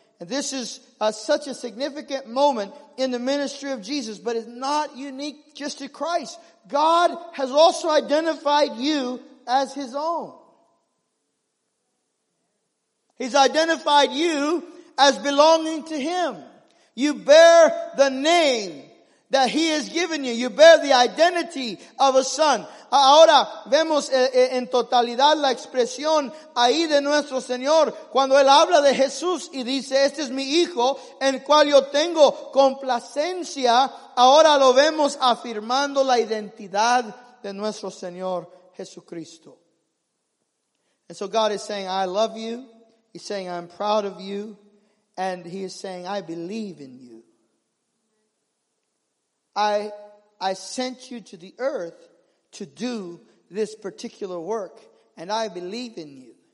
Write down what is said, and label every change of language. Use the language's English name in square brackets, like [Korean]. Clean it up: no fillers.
[English] And this is such a significant moment in the ministry of Jesus, but it's not unique just to Christ. God has also identified you as his own. He's identified you as belonging to him. You bear the name, that he has given you. You bear the identity of a son. [Spanish] Ahora vemos en totalidad la expresión ahí de nuestro Señor cuando él habla de Jesús y dice, este es mi hijo en cual yo tengo complacencia. Ahora lo vemos afirmando la identidad de nuestro Señor Jesucristo. [English] And so God is saying, I love you. He's saying, I'm proud of you. And he is saying, I believe in you. I sent you to the earth to do this particular work, and I believe in you.